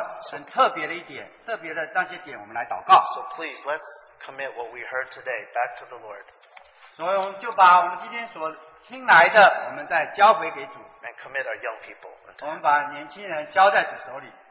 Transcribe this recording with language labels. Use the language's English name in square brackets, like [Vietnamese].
[Chinese] 虽然我们的时间好像已经超过很多了，但是我觉得我们实在要花一些时间来为着这些我们所听到的很特别的一点，特别的那些点，我们来祷告。So [English] please, let's commit what we heard today back to the Lord. [Chinese] 所以我们就把我们今天所听来的，我们再交回给主。 And commit our young people. 我们把年轻人交在主手里。